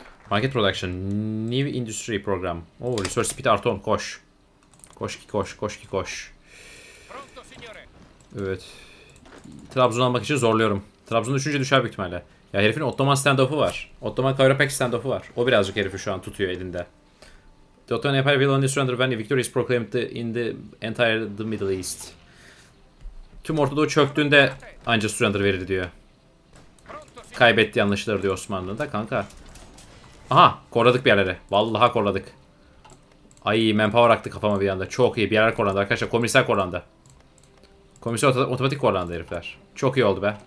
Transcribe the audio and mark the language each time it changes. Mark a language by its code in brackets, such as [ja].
[tr] Market Production. New Industry Program. Oo, Resource Speed artı 10. Koş. Koş ki koş. Koş ki koş. Evet. Trabzon almak için zorluyorum. Trabzon düşünce düşer büyük ihtimalle. Ya herifin Ottoman standoff'u var. Ottoman Kairopek standoff'u var. O birazcık herifi şu an tutuyor elinde. [en] The Ottoman Empire will only surrender when victory is proclaimed in the entire the Middle East. [tr] Tüm Orta Doğu çöktüğünde ancak surrender verir diyor. Kaybetti anlaşılır diyor Osmanlı'nın da kanka. Aha, korladık bir yerleri. Vallahi korladık. Ay, manpower aktı kafama bir anda. Çok iyi bir yerler korlandı arkadaşlar. Komiser korlandı. Komiser otomatik korlandı herifler. Çok iyi oldu be.